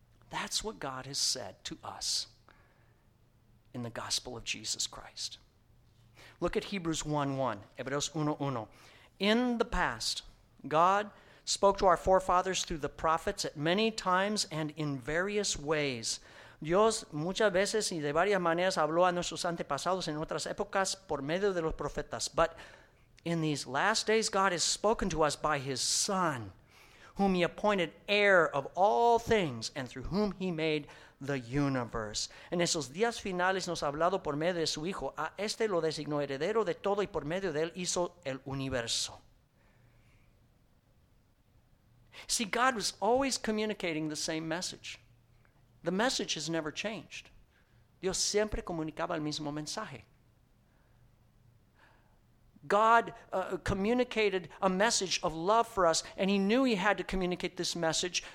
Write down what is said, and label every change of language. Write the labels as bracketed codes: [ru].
[en] That's what God has said to us in the gospel of Jesus Christ. Look at Hebrews 1:1. Hebreos 1:1. In the past, God spoke to our forefathers through the prophets at many times and in various ways. [es] Dios muchas veces y de varias maneras habló a nuestros antepasados en otras épocas por medio de los profetas. [en] But in these last days, God has spoken to us by his Son, whom he appointed heir of all things and through whom he made the universe. [es] En esos días finales nos ha hablado por medio de su Hijo. A este lo designó heredero de todo y por medio de él hizo el universo. [en] See, God was always communicating the same message. The message has never changed. [es] Dios siempre comunicaba el mismo mensaje. [en] God communicated a message of love for us, and he knew he had to communicate this message.